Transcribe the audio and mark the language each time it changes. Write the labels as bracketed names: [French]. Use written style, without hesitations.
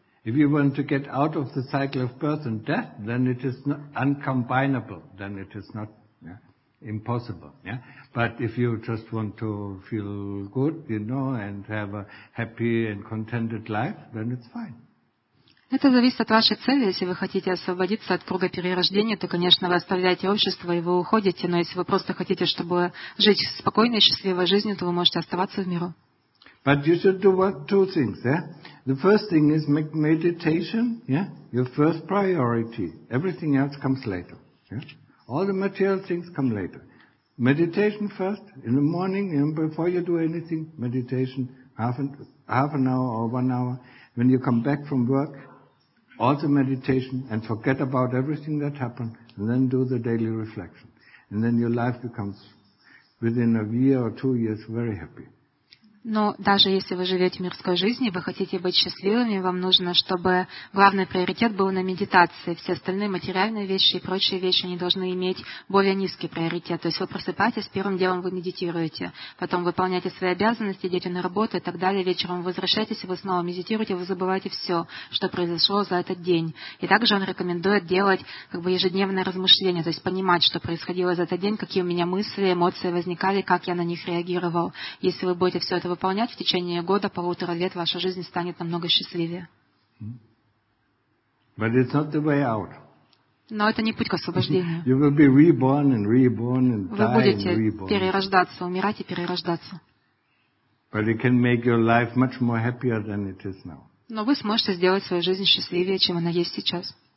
[English] If you want to get out of the cycle of birth and death, then it is not uncombinable, then it is not impossible, yeah. But if you just want to feel good, you know, and have a happy and contented life, then it's fine. [Russian] Это зависит от вашей цели. Если вы хотите освободиться от круга перерождения, то, конечно, вы оставляете общество и вы уходите. Но если вы просто хотите, чтобы жить спокойной, счастливой жизнью, то вы можете оставаться в миру. [English] But you should do two things, yeah. The first thing is make meditation, yeah, your first priority. Everything else comes later, yeah. All the material things come later. Meditation first, in the morning, and before you do anything, meditation, half an hour or 1 hour. When you come back from work, also meditation, and forget about everything that happened, and then do the daily reflection. And then your life becomes, within a year or 2 years, very happy. [Russian] Но даже если вы живете мирской жизнью, вы хотите быть счастливыми, вам нужно, чтобы главный приоритет был на медитации. Все остальные материальные вещи и прочие вещи, они должны иметь более низкий приоритет. То есть вы просыпаетесь, первым делом вы медитируете, потом выполняете свои обязанности, идете на работу и так далее. Вечером вы возвращаетесь, вы снова медитируете, вы забываете все, что произошло за этот день. И также он рекомендует делать как бы ежедневное размышление, то есть понимать, что происходило за этот день, какие у меня мысли, эмоции возникали, как я на них реагировал. Если вы будете все это выполнять в течение года, полутора лет, ваша жизнь станет намного счастливее. [English] But it's not the way out. [Russian] Но это не путь к освобождению. [English] You will be reborn and reborn and die. [Russian] Вы будете перерождаться, умирать и перерождаться. [English] But it can make your life much more happier than it is now. [Russian] Но вы сможете сделать свою жизнь счастливее, чем она есть сейчас.